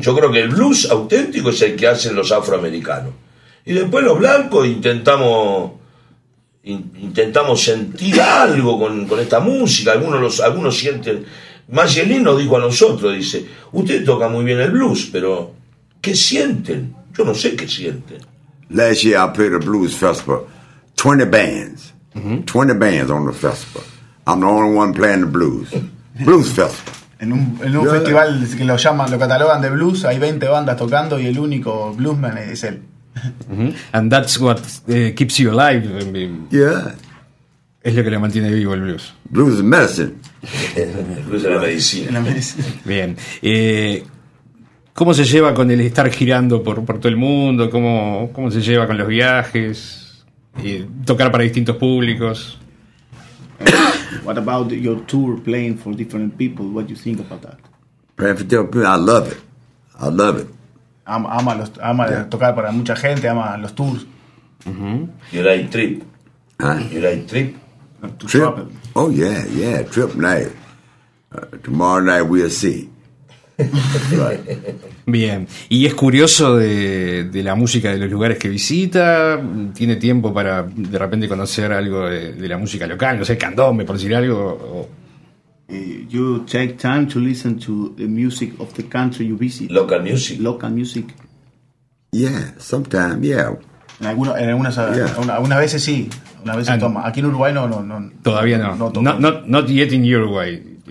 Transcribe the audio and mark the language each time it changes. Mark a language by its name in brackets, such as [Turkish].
[Spanish] Yo creo que el blues auténtico es el que hacen los afroamericanos. Y después los blancos intentamos sentir algo con esta música. Algunos sienten. Maggiolin nos dijo a nosotros, dice, usted toca muy bien el blues, pero ¿qué sienten? Yo no sé qué siente. [English] Last year I played a blues festival, 20 bands, 20 bands on the festival. I'm the only one playing the blues. Blues Fest. [Spanish] En un festival que lo llaman, lo catalogan de blues, hay 20 bandas tocando y el único bluesman es él. Mm-hmm. [English] And that's what keeps you alive. I mean, yeah. [Spanish] Es lo que le mantiene vivo el blues. [English] Blues is medicine. [Spanish] Blues es la medicina. Bien. ¿Cómo se lleva con el estar girando por todo el mundo? ¿Cómo se lleva con los viajes? ¿Tocar para distintos públicos? [English] What about your tour playing for different people? What do you think about that? Playing for different people, I love it. I love it. [Spanish] Ama tocar para mucha gente, ama los tours. [English] Uh-huh. You like trip? Huh? You like trip? To trip? Travel. Oh, yeah, yeah, trip night. Tomorrow night we'll see. [Spanish] Bien, y es curioso de la música de los lugares que visita. ¿Tiene tiempo para de repente conocer algo de la música local? No sé, candombe, por decir algo. [English] You take time to listen to the music of the country you visit. Local music. Local music. Yeah, sometimes, yeah. [Spanish] Algunas veces sí. Una vez toma. Aquí en Uruguay no. Todavía no. [English] Not yet in Uruguay.